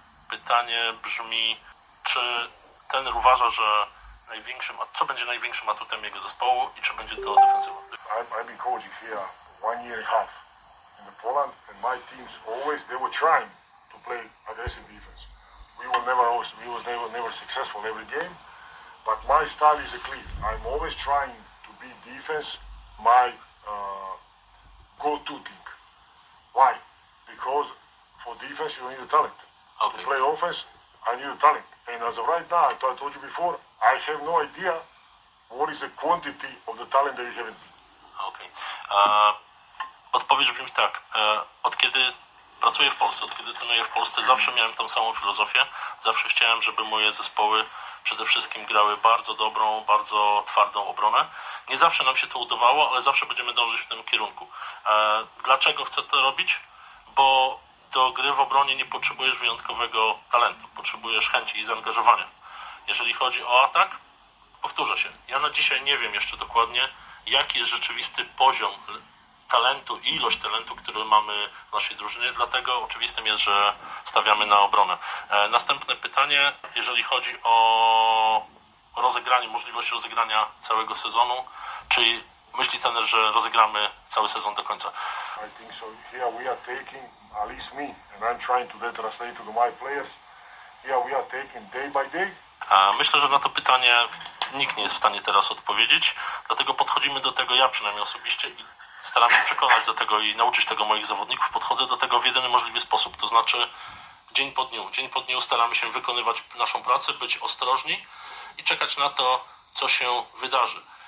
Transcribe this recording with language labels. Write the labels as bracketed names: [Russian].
[Polish] Pytanie brzmi, czy trener uważa, że co będzie największym atutem jego zespołu i czy będzie to defensywa? [English] I've been coaching here 1.5 years. Poland and my teams always, they were trying to play aggressive defense. We were never successful every game, but my style is clear. I'm always trying to be defense my go-to thing. Why? Because for defense you need a talent. Okay. To play offense, I need a talent. And as of right now, I told you before, I have no idea what is the quantity of the talent that you have in me. [Polish] Okay. Odpowiedź brzmi tak. Od kiedy pracuję w Polsce, od kiedy trenuję w Polsce, zawsze miałem tą samą filozofię. Zawsze chciałem, żeby moje zespoły przede wszystkim grały bardzo dobrą, bardzo twardą obronę. Nie zawsze nam się to udawało, ale zawsze będziemy dążyć w tym kierunku. Dlaczego chcę to robić? Bo do gry w obronie nie potrzebujesz wyjątkowego talentu. Potrzebujesz chęci i zaangażowania. Jeżeli chodzi o atak, powtórzę się. Ja na dzisiaj nie wiem jeszcze dokładnie, jaki jest rzeczywisty poziom talentu, ilość talentu, który mamy w naszej drużynie, dlatego oczywistym jest, że stawiamy na obronę. Następne pytanie, jeżeli chodzi o rozegranie, możliwość rozegrania całego sezonu, czy myśli trener, że rozegramy cały sezon do końca? [English] I think so. Here we are taking, at least me, and I'm trying to translate to my players, here we are taking day by day. [Polish] Myślę, że na to pytanie nikt nie jest w stanie teraz odpowiedzieć, dlatego podchodzimy do tego, ja przynajmniej osobiście, i staram się przekonać do tego i nauczyć tego moich zawodników. Podchodzę do tego w jedyny możliwy sposób, to znaczy dzień po dniu. Dzień po dniu staramy się wykonywać naszą pracę, być ostrożni i czekać na to, co się wydarzy.